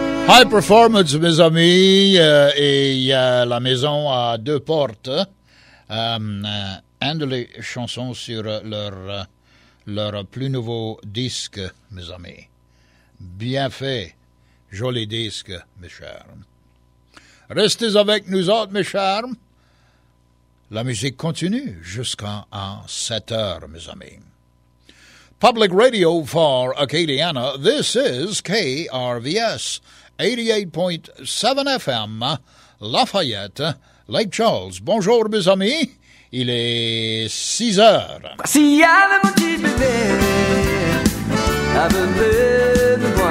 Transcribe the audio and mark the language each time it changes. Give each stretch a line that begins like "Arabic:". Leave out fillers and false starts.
French: High Performance, mes amis, et La Maison à deux portes, une de les chansons sur leur plus nouveau disque, mes amis. Bien fait. joli disque, mes chers. Restez avec nous autres, mes chers. La musique continue jusqu'à 7 heures, mes amis.
English: Public Radio for Acadiana, this is KRVS, 88.7 FM, Lafayette, Lake Charles.
French: Bonjour, mes amis. Il est 6 heures. Si y avait mon petit bébé, elle venait de voir.